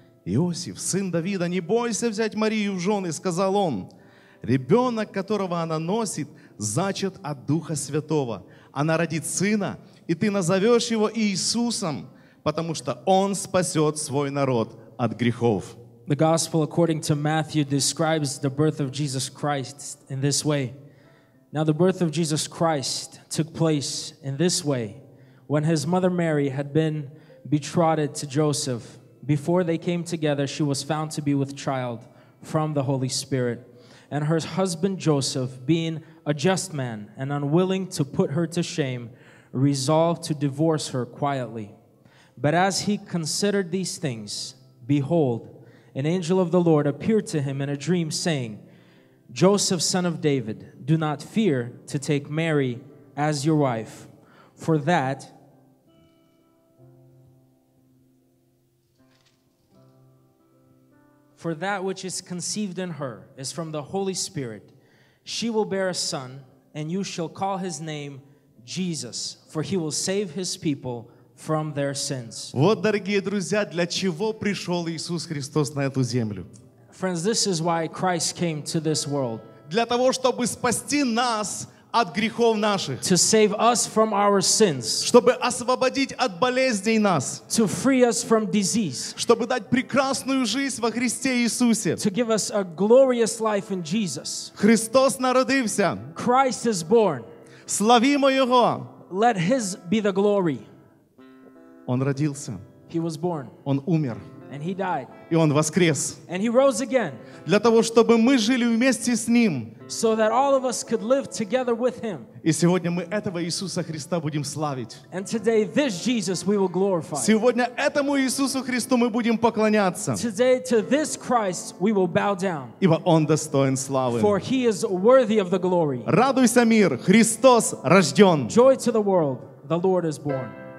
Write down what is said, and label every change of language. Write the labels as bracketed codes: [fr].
[ru] «Иосиф, сын Давида, не бойся взять Марию в жены», — сказал он. «Ребенок, которого она носит, зачат от Духа Святого. Она родит сына, и ты назовешь его Иисусом, потому что он спасет свой народ от грехов». [en] The Gospel according to Matthew describes the birth of Jesus Christ in this way. Now the birth of Jesus Christ took place in this way. When his mother Mary had been betrothed to Joseph, before they came together, she was found to be with child from the Holy Spirit. And her husband Joseph, being A just man and unwilling to put her to shame resolved to divorce her quietly. But as he considered these things, behold, an angel of the Lord appeared to him in a dream, saying, Joseph, son of David, do not fear to take Mary as your wife, for that which is conceived in her is from the Holy Spirit. She will bear a son, and you shall call his name Jesus, for he will save his people from their sins. [ru] Вот, дорогие друзья, для чего пришел Иисус Христос на эту землю. [en] Friends, this is why Christ came to this world. [ru] Для того, чтобы спасти нас от грехов наших. [en] To save us from our sins. [ru] Чтобы освободить от болезней нас. [en] To free us from disease. [ru] Чтобы дать прекрасную жизнь во Христе Иисусе. [en] To give us a glorious life in Jesus. [ru] Христос народился. [en] Christ is born. [ru] Славимо Его. [en] Let His be the glory. [ru] Он родился. [en] He was born. [ru] Он умер. [en] And He died. [ru] И Он воскрес. [en] And He rose again. [ru] Для того, чтобы мы жили вместе с Ним. [en] So that all of us could live together with Him. [ru] И сегодня мы этого Иисуса Христа будем славить. [en] And today this Jesus we will glorify. [ru] Сегодня этому Иисусу Христу мы будем поклоняться. [en] Today to this Christ we will bow down. [ru] Ибо Он достоин славы. [en] For He is worthy of the glory. [ru] Радуйся, мир, Христос рожден. [en] Joy to the world, the Lord is born.